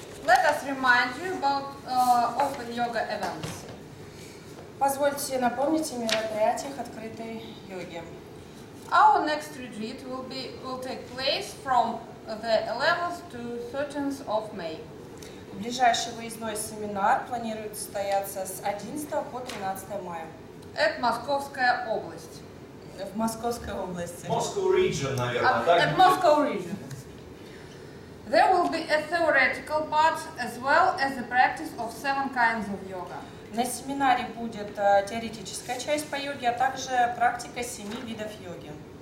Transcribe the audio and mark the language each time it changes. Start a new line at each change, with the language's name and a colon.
English: Let us remind you about open yoga events.
Russian: Позвольте напомнить о мероприятиях открытой йоги.
English: Our next retreat will take place from the 11th to 13th of May.
Russian: Ближайший выездной семинар планирует состояться с 11 по 13 мая. Это Московская область. В Московской области.
English: Moscow region,
Russian: наверное.
English: At Moscow region. There will be a theoretical part as well as the practice of seven kinds of yoga.
Russian: На семинаре будет теоретическая часть по йоге, а также практика семи видов йоги.